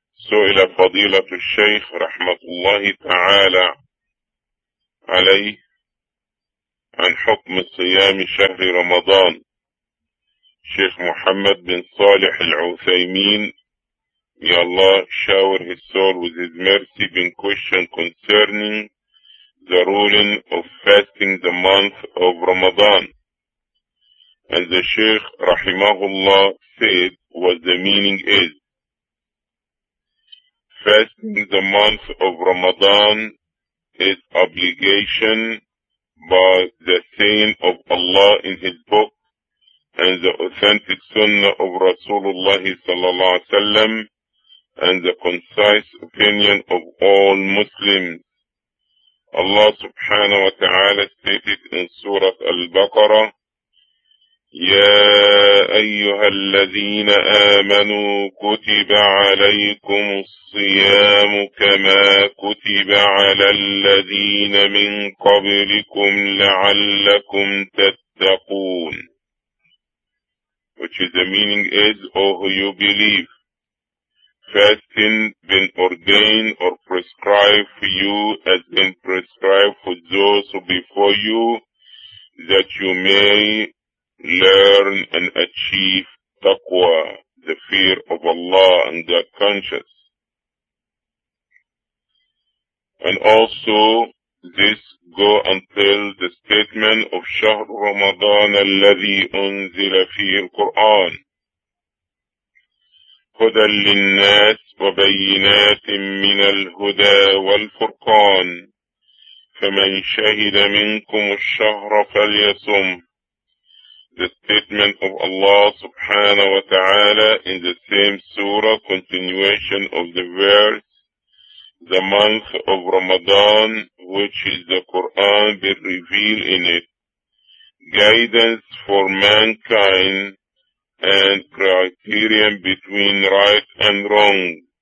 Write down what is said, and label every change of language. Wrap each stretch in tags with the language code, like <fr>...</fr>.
<ar>سئل فضيلة الشيخ رحمة الله تعالى عليه عن حكم صيام شهر رمضان.</ar> <en>شيخ محمد بن صالح العثيمين, may Allah shower his soul with his mercy, been questioned concerning the ruling of fasting the month of Ramadan. And the Shaykh Rahimahullah said what the meaning is. Fasting the month of Ramadan is obligation by the saying of Allah in His book and the authentic sunnah of Rasulullah sallallahu alayhi wa sallam and the concise opinion of all Muslims. Allah subhanahu wa ta'ala stated in Surah Al-Baqarah,</en> <ar>يا أيها الذين آمنوا كتب عليكم الصيام كما كتب على الذين من قبلكم لعلكم تتقون.</ar> <en>Which is the meaning is, oh you believe, fasting been ordained or prescribed for you as been prescribed for those before you, that you may learn and achieve taqwa, the fear of Allah and God conscious. And also, this go until the statement of</en> <ar>شهر رمضان الذي أنزل فيه القرآن هدى للناس وبينات من الهدى والفرقان فمن شهد منكم الشهر فليصم.</ar> <en>The statement of Allah subhanahu wa ta'ala in the same surah, continuation of the verse, the month of Ramadan, which is the Quran, be revealed in it, guidance for mankind and criterion between right and wrong.</en>